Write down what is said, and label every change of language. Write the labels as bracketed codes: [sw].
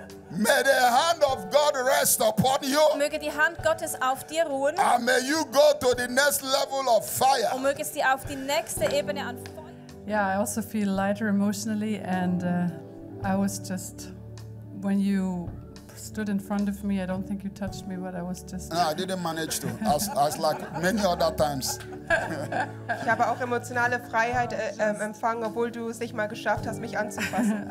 [en] May the hand of God rest upon you. [de] Möge die Hand Gottes auf dir ruhen. [en] And may you go to the next level of fire. [de] Und mögest du auf die nächste Ebene an Feuer. [en] Yeah, I also feel lighter emotionally, and I was just when you stood in front of me. I don't think you touched me, but I was just. No, I didn't manage to. As like many other times. [de] Ich habe auch emotionale Freiheit empfangen, obwohl du es nicht mal geschafft hast, mich anzufassen.